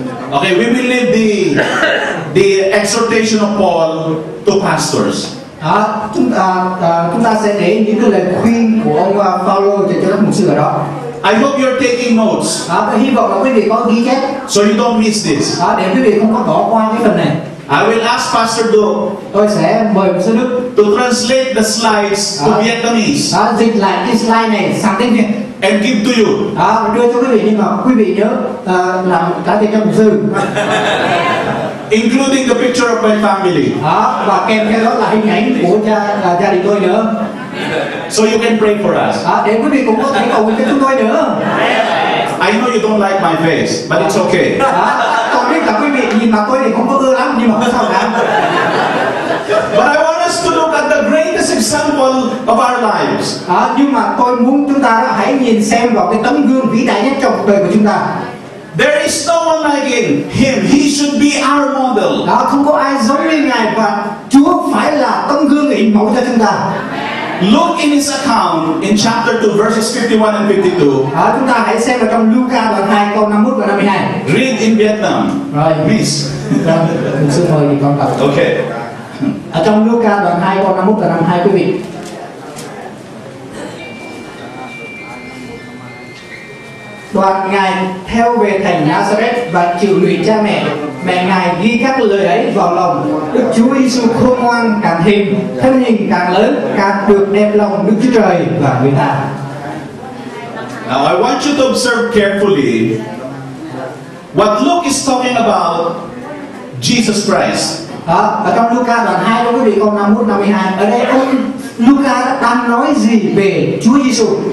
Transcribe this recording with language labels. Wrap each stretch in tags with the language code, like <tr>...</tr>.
<en>Okay, we will leave the exhortation of Paul to pastors.</en> <vi>Chúng ta sẽ để những cái lời khuyên của ông Paulo dành cho các mục sư ở đó.</vi> <en>I hope you're taking notes.</en> <vi>Tôi hy vọng là quý vị có ghi chép.</vi> <en>So you don't miss this.</en> <vi>Để quý vị không có bỏ qua cái phần này.</vi> <en>I will ask Pastor Do.</en> <vi>Tôi sẽ mời mục sư Đức</vi> <en>to translate the slides to Vietnamese.</en> <vi>Dịch lại cái slide này sang tiếng Việt.</vi> <en>And give to you.</en> <vi>Đưa cho quý vị, nhưng mà quý vị nhớ làm trả tiền cho mục sư.</vi> <en>Including the picture of my family.</en> <vi>Và kèm theo đó là hình ảnh của gia đình tôi nữa.</vi> <en>So you can pray for us.</en> <vi>Để quý vị cũng có thể cầu nguyện cho chúng tôi nữa.</vi> <en>I know you don't like my face, but it's okay.</en> <vi>Tôi biết là quý vị nhìn mặt tôi thì không có ưa lắm, nhưng mà không sao cả.</vi> <en>But I want us to look at the greatest example of our lives.</en> <vi>Nhưng mà tôi muốn chúng ta hãy nhìn xem vào cái tấm gương vĩ đại nhất trong đời của chúng ta.</vi> <en>There is no one like him. He should be our model.</en> <vi>Không có ai giống như ngài, và Chúa phải là tấm gương hình mẫu cho chúng ta.</vi> <en>Look in his account in chapter 2, verses 51 and 52.</en> <vi>Chúng ta hãy xem vào trong Luca đoạn 2 câu 51 và 52.</vi> <en>Read in Vietnam. Right. Please.</en> <vi>Xin mời thì con đọc.</vi> <en>Okay.</en> <vi>Ở trong Luca đoạn 2 câu 51 và 52 quý vị. Đoạn ngài theo về thành Nazareth và chịu lụy cha mẹ. Mẹ ngài ghi các lời ấy vào lòng. Đức Chúa Giêsu khôn ngoan càng thêm, thân hình càng lớn, càng được đem lòng Đức Chúa Trời và người ta.</vi> <en>Now I want you to observe carefully what Luke is talking about Jesus Christ.</en> <vi>Ở trong Luca đoạn 2 có quý vị câu 51-52. Ở đây ông Luca đang nói gì về Chúa Giêsu?</vi>